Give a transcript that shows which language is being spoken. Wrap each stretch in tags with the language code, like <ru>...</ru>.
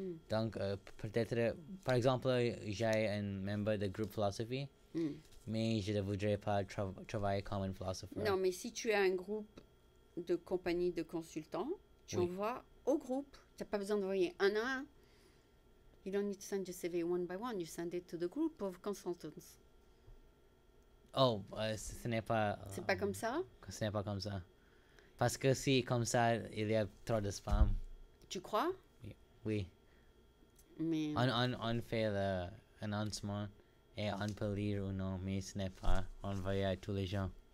<fr>Donc peut-être, par exemple, j'ai un membre de groupe philosophie, mais je ne voudrais pas travailler comme un philosopher. Non, mais si tu as un groupe de compagnies de consultants, tu Oui. envoies au groupe. Tu n'as pas besoin d'envoyer un à un.</fr> <en>You don't need to send your CV one by one. You send it to the group of consultants. Oh,</en> <fr>C'est pas comme ça? ce n'est pas comme ça. Parce que si comme ça, il y a trop de spam. Tu crois? Oui. Mais. On fait l'annoncement et on peut lire ou non, mais ce n'est pas envoyé à tous les gens.</fr>